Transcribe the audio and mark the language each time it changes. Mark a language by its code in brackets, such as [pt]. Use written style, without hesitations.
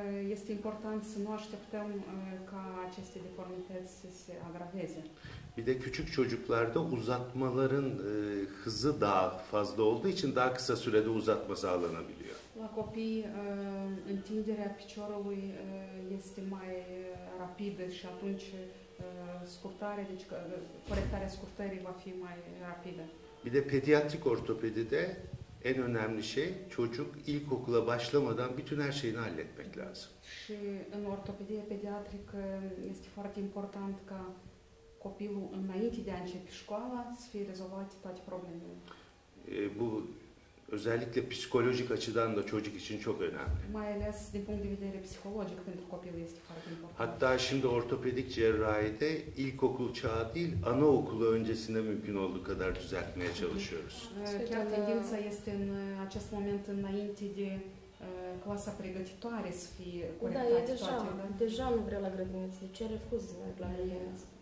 [ro] Este important să nu așteptăm ca aceste deformități să se agraveze. [tr] Bir de küçük çocuklarda uzatmaların hızı daha fazla olduğu için daha kısa sürede uzatma sağlanabiliyor. [ro] La copii, întinderea piciorului este mai rapidă și atunci scurtarea, deci corectarea scurtării va fi mai rapidă. [tr] Bir de pediatrik ortopedide en önemli şey çocuk ilkokula başlamadan bütün her şeyini halletmek lazım. [ro] Și în ortopedie pediatrică este foarte important ca copilul înainte de a începe școala să fie rezolvate toate problemele. [tr] Bu özellikle psikolojik açıdan da çocuk için çok önemli. [ro] Mai ales din punct de vedere psihologic pentru copil este foarte important. [tr] Hatta şimdi ortopedik cerrahide ilkokul çağı değil, anaokulu öncesinde mümkün olduğu kadar düzeltmeye çalışıyoruz. [ro] Chiar tendința este în acest moment înainte de clasa pregătitoare să fie corectată. Da, e deja, deja nu vrea la grădiniță, ce refuz la grădiniță.